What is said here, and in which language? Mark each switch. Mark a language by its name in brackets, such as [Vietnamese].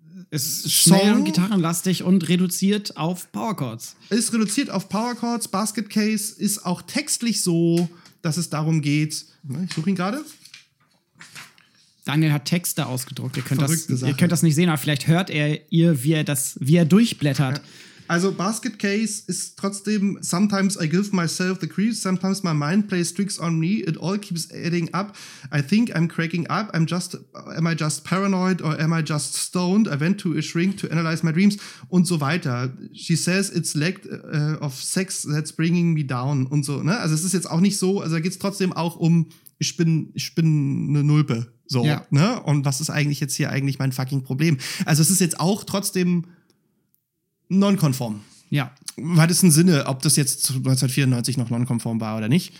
[German] Es ist schnell und gitarrenlastig und reduziert auf Powerchords. Ist reduziert auf Powerchords. Basket Case ist auch textlich so, dass es darum geht. Ich suche ihn gerade. Daniel hat Texte ausgedruckt. Ihr könnt das nicht sehen, aber vielleicht hört er ihr, wie er durchblättert. Also Basket Case ist trotzdem [English] Sometimes I give myself the creeps, sometimes my mind plays tricks on me, it all keeps adding up, I think I'm cracking up, am I just paranoid or am I just stoned, I went to a shrink to analyze my dreams [German] und so weiter. [English] She says it's lack of sex that's bringing me down [German] und so. Ne? Also es ist jetzt auch nicht so, also da geht es trotzdem auch um, ich bin eine Nulpe. So, ne? Und was ist eigentlich jetzt hier eigentlich mein fucking Problem? Also es ist jetzt auch trotzdem nonkonform. Ja. War das ein Sinne, ob das jetzt 1994 noch nonkonform war oder nicht?